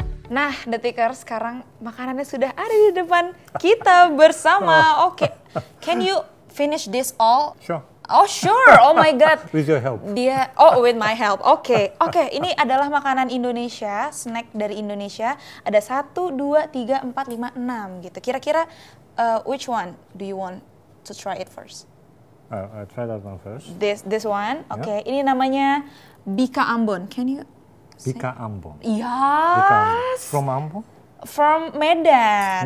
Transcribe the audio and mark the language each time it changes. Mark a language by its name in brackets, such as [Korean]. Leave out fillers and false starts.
[Indonesian] Nah, Detikers, sekarang makanannya sudah ada di depan kita bersama. [English] Oke, can you finish this all? Sure. Oh, sure. Oh my God. With your help. With my help. Oke. [Indonesian] Ini adalah makanan Indonesia, snack dari Indonesia. Ada 1, 2, 3, 4, 5, 6 gitu. [English] Kira-kira, which one do you want to try it first? I'll try that one first. This one? Oke, okay. Yep. [Indonesian] Ini namanya Bika Ambon. [English] Can you... Bika Ambon. Yes. From Ambon? From Medan.